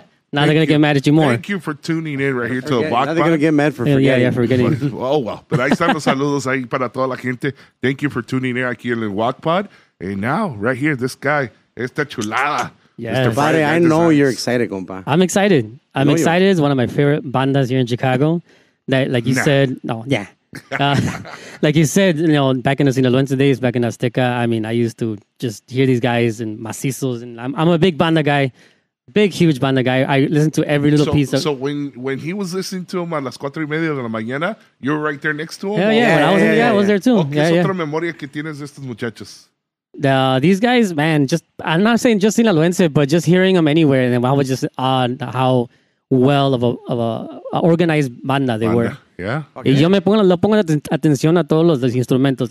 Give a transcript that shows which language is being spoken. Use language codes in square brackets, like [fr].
[en] Now they're going to get mad at you more. Thank you for tuning in right here to the Walk Pod. Now they're going to get mad for forgetting. Yeah, forgetting. Oh, well. [es] Pero ahí están los saludos ahí para toda la gente. [en] Thank you for tuning in [es] aquí en el [en] Walk Pod. And now, right here, this guy, [es] esta chulada. [en] Yes. Buddy, I know you're excited, compa. I'm excited. I'm excited. It's one of my favorite bandas here in Chicago. Like you said, you know, back in the Sinaloense days, back in Azteca, I mean, I used to just hear these guys and macizos. And I'm a big banda guy. Big, huge banda guy. I listen to every little piece of... So when he was listening to him at [es] las 4:30 de la mañana, [en] you were right there next to him? I was there too. Okay, yeah, [es] es [en] yeah. [es] otra memoria que tienes de estos muchachos? [en] These guys, man, just I'm not saying just Sinaloense, but just hearing them anywhere, and I was just odd how well of a organized banda they were. Yeah. [es] Okay. Y yo me pongo atención a todos los instrumentos.